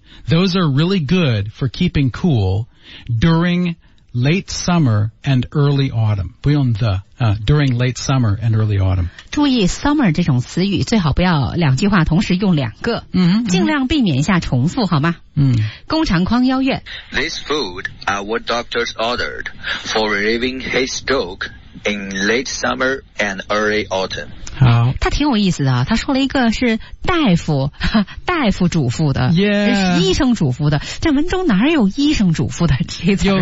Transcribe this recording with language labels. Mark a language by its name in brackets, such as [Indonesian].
[English] Those are really good for keeping cool during late summer and early autumn. [Chinese] 不用 [English] the,、during late summer and early autumn. [Chinese] 注意 summer 这种词语最好不要两句话同时用两个、尽量避免一下重复好吗、工长匡邀约 [English] This food are what doctors ordered for relieving heat stroke in late summer and early autumn. [Chinese] 好他挺有意思的他说了一个是大夫大夫嘱咐的、 [English] yeah. [Chinese] 医生嘱咐的这文中哪有医生嘱咐的这词、